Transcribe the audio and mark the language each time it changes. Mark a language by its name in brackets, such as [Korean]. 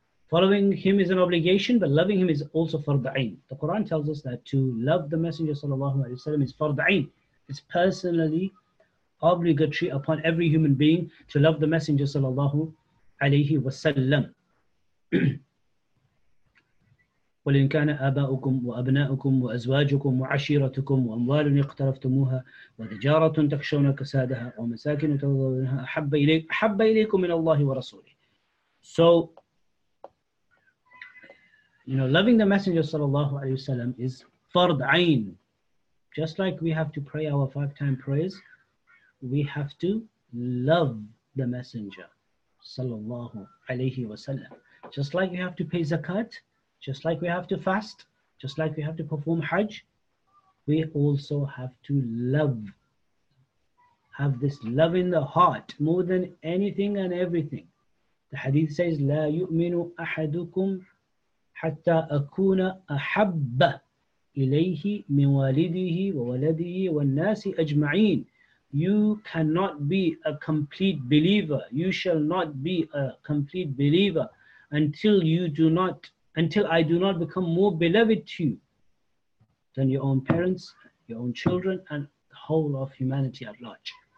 [English] Following him is an obligation, but loving him is also fard'ain. The Quran tells us that to love the Messenger sallallahu alayhi wasallam is fard'ain. It's personally obligatory upon every human being to love the Messenger sallallahu alayhi wasallam. [Arabic] قل إن كان آباؤكم وأبناؤكم وأزواجكم وعشيرتكم وأموال اقترفتموها وتجارة تخشون كسادها ومساكن ترضونها أحب إليكم من الله ورسوله. [English] So, you know, loving the Messenger sallallahu alayhi wasallam is fard ain. Just like we have to pray our 5-time prayers, we have to love the Messenger sallallahu alayhi wasallam. Just like we have to pay zakat, just like we have to fast, just like we have to perform Hajj, we also have to love. Have this love in the heart more than anything and everything. The hadith says, [Arabic] لا يؤمن أحدكم حتى أكون أحب إليه من والده وولده والناس أجمعين. [English] You cannot be a complete believer. You shall not be a complete believer until I do not become more beloved to you than your own parents, your own children, and the whole of humanity at large.